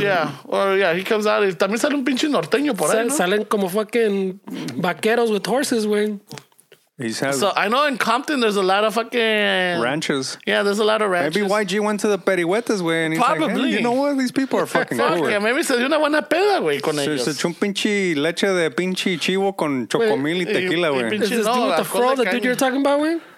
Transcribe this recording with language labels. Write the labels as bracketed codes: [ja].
[en] Yeah. He comes out. [es] También sale un pinche norteño por ahí. Salen como fucking vaqueros [en] with horses, [es] güey. [en] So I know in Compton there's a lot of fucking ranches. Yeah, there's a lot of ranches. Maybe YG went to the Perihuetas, way, and he's probably. Like, hey, you know what? These people are fucking cool. Yeah, maybe [es] se dio una buena peda, güey, con ellos. Se echó un pinche leche de pinche chivo con chocomil y tequila, güey. [en] Is this dude with the fro, the dude you're talking about, güey?